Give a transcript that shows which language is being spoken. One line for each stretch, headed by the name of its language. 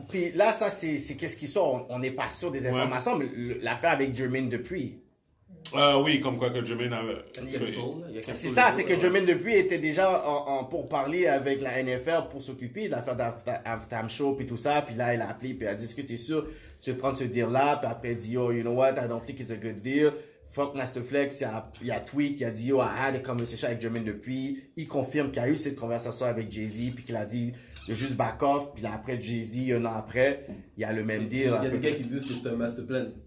French: Puis là, ça, c'est qu'est-ce qui sort? On n'est pas sûr des informations, mais l'affaire avec Jermaine Dupri. Oui, comme quoi que Jermaine a... C'est ça, c'est que Jermaine Dupri était déjà en pour parler avec la NFL pour s'occuper de l'affaire d'Aftam Show puis tout ça. Puis là, elle a appelé, puis elle a dit, est-ce que t'es sûr, tu veux prendre ce deal-là? Puis après, elle dit,
English: yo, you know what, I don't think it's a good deal.
French: Fuck Masterflex, il y a tweet, il a dit, yo,
English: I had a conversation
French: avec Jermaine Dupri. Il confirme qu'il y a eu cette conversation avec Jay-Z, puis qu'il a dit, il a juste back off. Puis là, après Jay-Z, un an après, il y a le même deal. Il y a des gars qui disent que c'est un master plan.